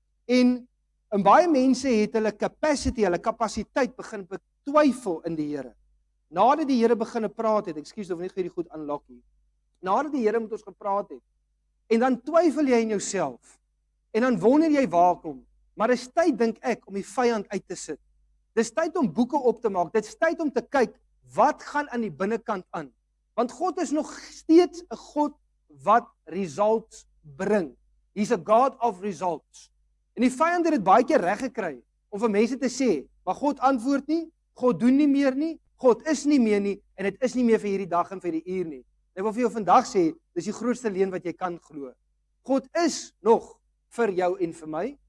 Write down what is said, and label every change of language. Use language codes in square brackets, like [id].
[af] En baie mense het hulle capacity, hulle kapasiteit begin betwyfel in die Here. Nadat die Here begin praat het, ekskuus of nie goed aanlok nie. Nadat die Here met ons gepraat het, en dan twyfel jy in jouself, en dan wonder jy waar kom, maar dis tyd, dink ek, om die vyand uit te sit. Dis tyd om boeke op te maak, dis tyd om te kyk, wat gaan aan die binnenkant aan? Want God is nog steeds een God wat results bring. [en] He's a God of results. [af] En die vyand het baie keer reg gekry, om vir mense te sê, maar God antwoord nie, God doen nie meer nie, God is nie meer nie, en het is nie meer vir hierdie dag en vir die uur nie. Ek wil vir jou vandag sê, dis die grootste leen wat jy kan glo. God is nog vir jou en vir my.